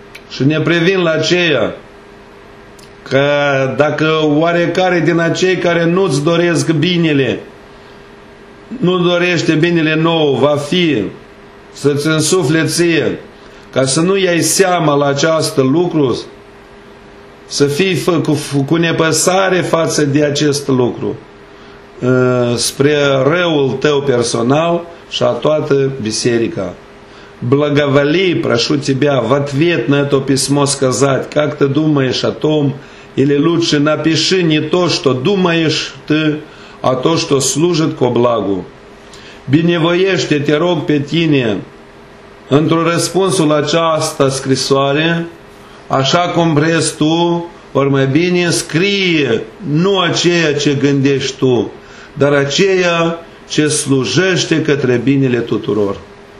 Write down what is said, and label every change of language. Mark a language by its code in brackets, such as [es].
[ro] și ne previn la aceea că dacă oarecare din acei care nu-ți doresc binele nu dorește binele nou, va fi să-ți însufle ție, ca să nu iei seama la această lucru, să fii cu nepăsare față de acest lucru, spre răul tău personal și a toată biserica. [ru] Благоволи, прошу тебя, в ответ на это письмо сказать, как ты думаешь о том, или лучше напиши не то, что думаешь ты, а то, что служит ко благу. [ro] Binevoiește, te rog pe tine, într-un răspunsul la această scrisoare, așa cum vrei tu, ori mai bine scrie nu aceea ce gândești tu, dar aceea ce slujește către binele tuturor.